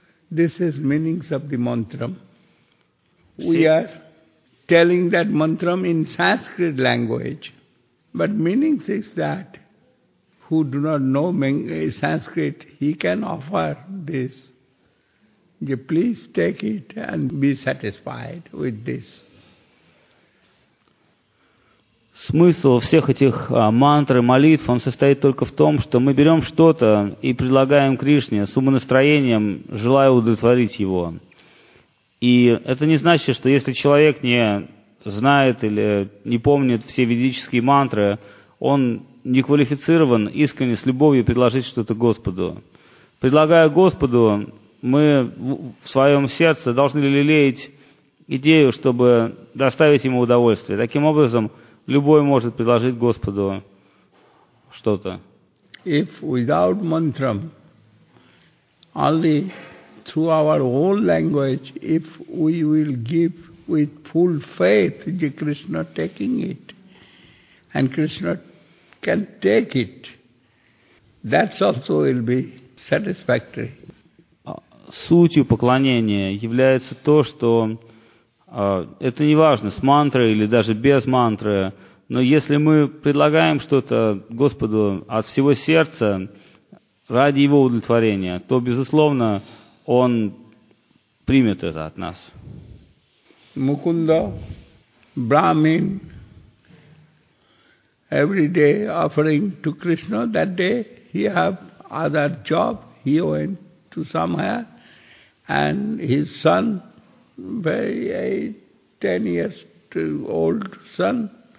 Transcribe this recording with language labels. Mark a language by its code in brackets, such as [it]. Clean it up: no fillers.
[en] This is meanings of the mantram. We are telling that mantram in Sanskrit language, but meanings is that who do not know Sanskrit, he can offer this Please take it and be satisfied with this. [ru] Смысл всех этих мантр и молитв он состоит только в том, что мы берем что-то и предлагаем Кришне с умонастроением, желая удовлетворить его. И это не значит, что если человек не знает или не помнит все ведические мантры, он не квалифицирован искренне с любовью предложить что-то Господу. Предлагая Господу, мы в своем сердце должны лелеять идею, чтобы доставить ему удовольствие. Таким образом, любой может предложить Господу что-то. [en] If without mantra, only through our whole language, if we will give with full faith, the Krishna taking it, and Krishna can take it, that also will be satisfactory. [ru] Сутью поклонения является то, что это не важно, с мантрой или даже без мантры, но если мы предлагаем что-то Господу от всего сердца ради Его удовлетворения, то, безусловно, Он примет это от нас. [en] Mukunda, Brahmin, every day offering to Krishna, that day he have other job, he went to somewhere, and his son, very 10 years old son,